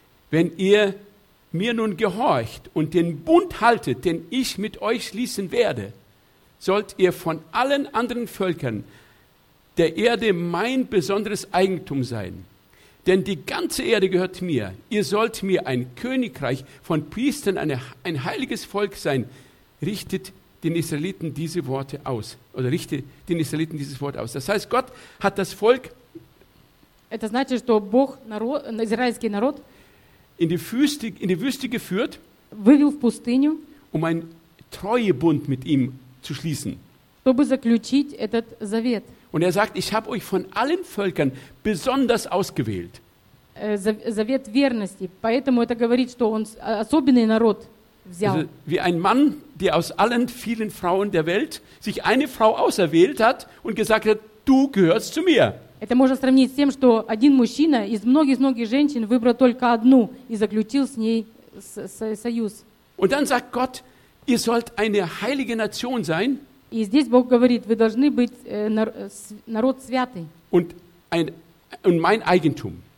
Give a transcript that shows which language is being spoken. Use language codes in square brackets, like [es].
[de] Wenn ihr mir nun gehorcht und den Bund haltet, den ich mit euch schließen werde, sollt ihr von allen anderen Völkern der Erde mein besonderes Eigentum sein. Denn die ganze Erde gehört mir. Ihr sollt mir ein Königreich von Priestern, ein heiliges Volk sein. Richtet den Israeliten diese Worte aus. Oder richtet den Israeliten dieses Wort aus. Das heißt, Gott hat das Volk [ru] Это значит, что Бог народ, израильский народ [de] In die Wüste geführt, [ru] вывел в пустыню, [de] um einen Treuebund mit ihm zu schließen. [ru] Чтобы заключить этот завет. [de] Und er sagt, ich habe euch von allen Völkern besonders ausgewählt. [ru] Завет верности. Поэтому это говорит, что он особенный народ взял. [de] Also, wie ein Mann, der aus allen vielen Frauen der Welt sich eine Frau auserwählt hat und gesagt hat, du gehörst zu mir. [ru] Это можно сравнить с тем, что один мужчина из многих-многих женщин выбрал только одну и заключил с ней союз. [de] Und dann sagt Gott, ihr sollt eine heilige Nation sein. [ru] И здесь Бог говорит, вы должны быть народ святый. [de] Und ein, und mein Eigentum.